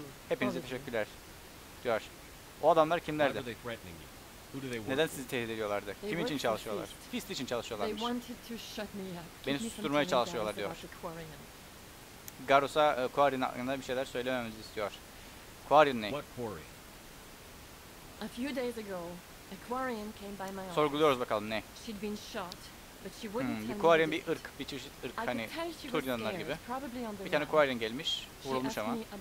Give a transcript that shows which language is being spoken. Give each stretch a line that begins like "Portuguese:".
Turkish: Hepinize teşekkürler diyor. O adamlar kimlerdi? Neden sizi tehdit ediyorlardı? Kim için çalışıyorlar? Fist için çalışıyorlarmış. Beni susturmaya çalışıyorlar diyor. Garrus'a Quarry'nin hakkında bir şeyler söylememizi istiyor. Quarry ne?
English: A few days ago, a Quarian came by my office.
Turkish: Sorguluyoruz bakalım ne.
English: She'd been shot, but she wouldn't tell me.
Turkish: Bir Quarian, bir ırk, bir çeşit ırk, hani Turyanlar gibi. Bir tane Quarian gelmiş, vurulmuş ama.